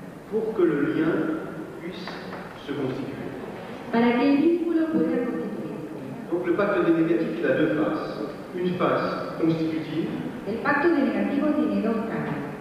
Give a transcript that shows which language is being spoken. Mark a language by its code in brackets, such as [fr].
[fr] Pour que le lien puisse se constituer. [es] Para que el vínculo pueda constituir. [fr] Donc le pacte des négatifs, il a deux faces. Une face constitutive. [es] El pacto de negativo tiene dos caras.